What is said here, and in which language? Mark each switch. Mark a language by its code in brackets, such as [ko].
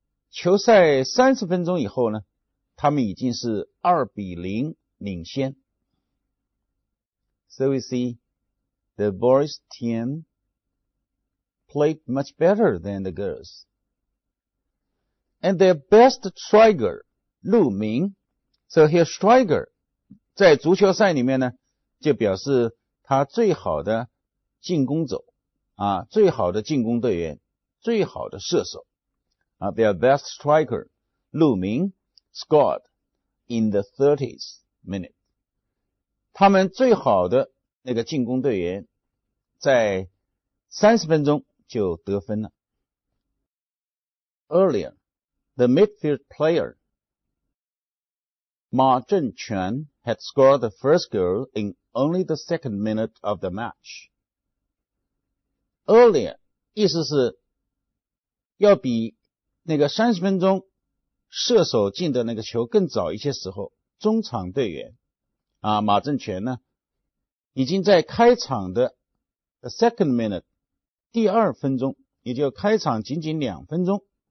[zh] 球赛30分钟以后呢，他们已经是2-0领先。 [en] So we see, the boys' team played much better than the girls. And their best striker, Lu Ming. So here, striker, [zh] 在足球赛里面呢，就表示他最好的进攻手。啊，最好的进攻队员，最好的射手，啊 [en] ，their best striker， 陆明 scored in the 30th minute。 [zh] 他们最好的那个进攻队员，在30分钟就得分了。 [en] Earlier, the midfield player 马正权 had scored the first goal in only the second minute of the match。 [zh] Earlier, 意思是要比那个30分钟射手进的那个球更早一些时候，中场队员啊，马正权呢已经在开场的 [en] the second minute, [zh] 第二分钟，也就开场仅仅两分钟。